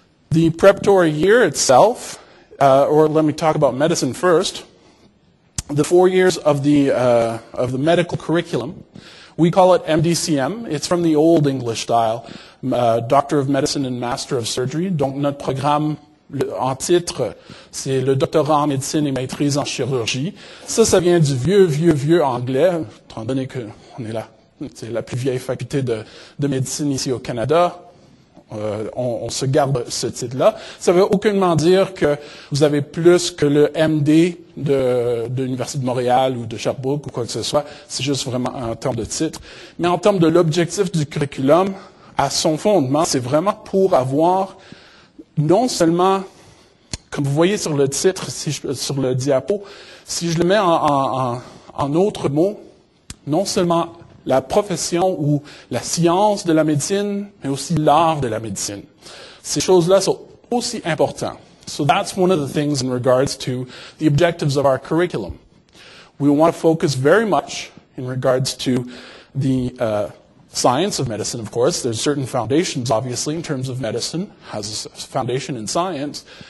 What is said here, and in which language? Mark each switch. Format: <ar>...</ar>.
<en>The preparatory year itself, or let me talk about medicine first, the 4 years of the medical curriculum, we call it MDCM. It's from the old English style, Doctor of Medicine and Master of Surgery.</en> <fr>Donc notre programme en titre, c'est le doctorat en médecine et maîtrise en chirurgie. Ça, ça vient du vieux anglais, étant donné qu'on est là, c'est la plus vieille faculté de médecine ici au Canada. On se garde ce titre-là. Ça ne veut aucunement dire que vous avez plus que le MD de l'Université de Montréal ou de Sherbrooke ou quoi que ce soit. C'est juste vraiment un terme de titre. Mais en termes de l'objectif du curriculum, à son fondement, c'est vraiment pour avoir non seulement, comme vous voyez sur le titre, sur le diapo, si je le mets en autre mot, non seulement la profession ou la science de la médecine, mais aussi l'art de la médecine. Ces choses-là sont aussi importantes.</fr> <en>So that's one of the things in regards to the objectives of our curriculum. We want to focus very much in regards to the science of medicine, of course. There's certain foundations, obviously, in terms of medicine, has a foundation in science.</en>